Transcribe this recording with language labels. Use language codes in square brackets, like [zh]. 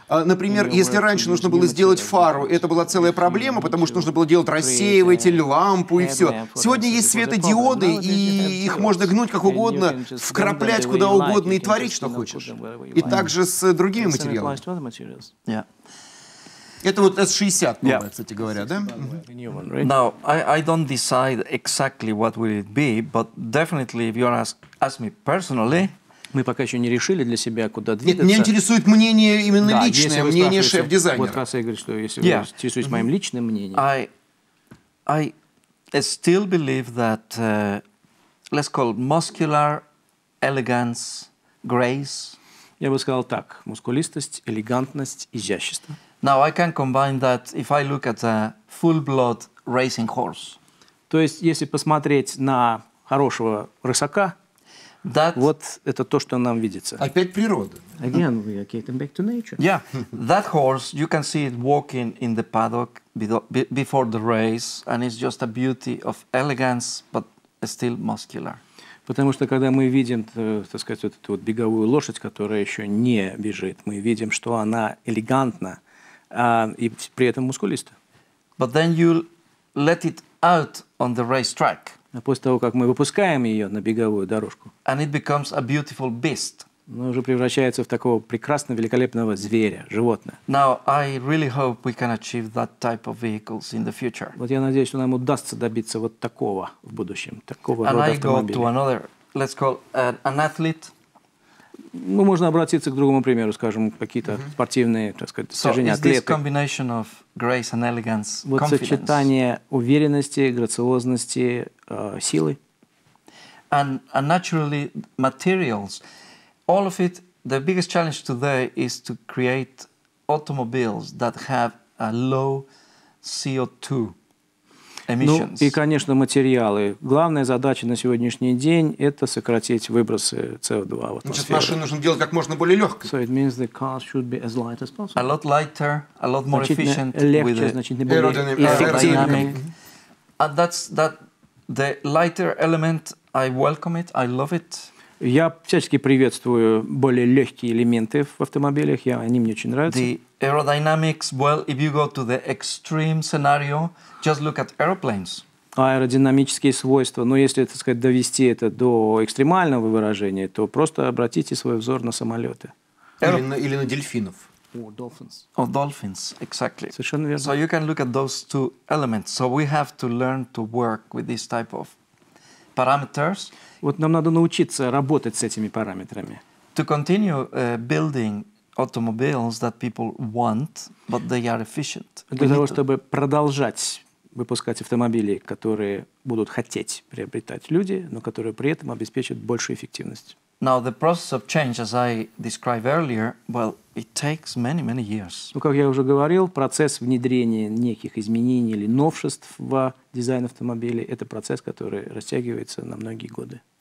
[ru] Например, если раньше нужно было сделать фару, это была целая проблема, потому что нужно было делать рассеиватель, лампу и все. Сегодня есть светодиоды, и их можно гнуть как угодно, вкраплять куда угодно и творить, что хочешь. И также с другими материалами. Это вот S60, по-моему, кстати говоря, да? [en] Now, I don't decide exactly what will it be, but definitely if you ask me personally. [ru] Мы пока еще не решили для себя, куда двигаться. Меня интересует мнение именно личное, мнение шеф-дизайнера. Вот как я говорю, что если вы интересуетесь моим личным мнением. [en] I still believe that let's call it muscular elegance, grace. [ru] Я бы сказал так: мускулистость, элегантность, изящество. [en] Now I can combine that if I look at a full-blood racing horse. [ru] То есть, если посмотреть на хорошего рысака, [en] that, [ru] вот это то, что нам видится. Опять природа. [en] Again, we are getting back to nature. Yeah, that horse, you can see it walking in the paddock before the race, and it's just a beauty of elegance, but still muscular. [ru] Потому что, когда мы видим, так сказать, вот эту вот беговую лошадь, которая еще не бежит, мы видим, что она элегантна, и при этом мускулиста. [en] But then you let it out on the racetrack. [ru] А после того, как мы выпускаем ее на беговую дорожку, [en] and it becomes a beautiful beast. [ru] Она уже превращается в такого прекрасного, великолепного зверя, животное. [en] Now I really hope we can achieve that type of vehicles in the future. [ru] Вот я надеюсь, что нам удастся добиться вот такого в будущем, такого рода автомобиля. [en] And I go to another, let's call an athlete. [ru] Ну, можно обратиться к другому примеру, скажем, какие-то спортивные, так сказать, достижения, атлеты. [en] So is this combination of grace and elegance, вот confidence. [ru] Сочетание уверенности, грациозности, силы. [en] And naturally, materials. All of it, the biggest challenge today is to create automobiles that have a low CO2 emissions. [ru] Ну, и, конечно, материалы. Главная задача на сегодняшний день – это сократить выбросы CO2 в атмосферу. Значит, машину нужно делать как можно более легкой. [en] So it means the car should be as light as possible. A lot lighter, a lot more efficient. [ru] Легче, [en] aerodynamic. And that's that. The lighter element, I welcome it, I love it. [ru] Я всячески приветствую более легкие элементы в автомобилях, они мне очень нравятся. [en] The aerodynamics, well, if you go to the extreme scenario, just look at aeroplanes. [ru] Аэродинамические свойства, но если, так сказать, довести это до экстремального выражения, то просто обратите свой взор на самолеты. Или на дельфинов. [en] Or dolphins. Or dolphins, exactly. [ru] Совершенно верно. [en] So you can look at those two elements. So we have to learn to work with this type of parameters. [ru] Вот нам надо научиться работать с этими параметрами. [en] To continue building automobiles that people want, but they are efficient. [ru] Для того, чтобы продолжать выпускать автомобили, которые будут хотеть приобретать люди, но которые при этом обеспечат большую эффективность. [en] Now the process of change, as I described earlier, well, it takes many, many years. [ru] Ну, как я уже говорил, процесс внедрения неких изменений или новшеств в дизайн автомобилей – это процесс, который растягивается на многие годы.